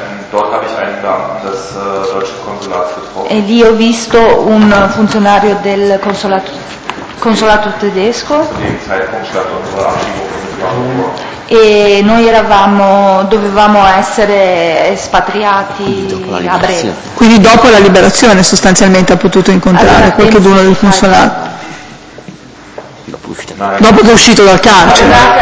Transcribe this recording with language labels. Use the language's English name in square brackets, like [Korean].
[German] Dort habe ich einen Beamten des deutschen Konsulats getroffen. [Italian] E lì ho visto un funzionario del consolato tedesco. [German] Zu dem Zeitpunkt stand unsere Abschiebung in Frankfurt. [Italian] E noi dovevamo essere espatriati a breve. Quindi dopo la liberazione sostanzialmente ha potuto incontrare allora, qualche uno del consolato. Dopo che è uscito dal carcere.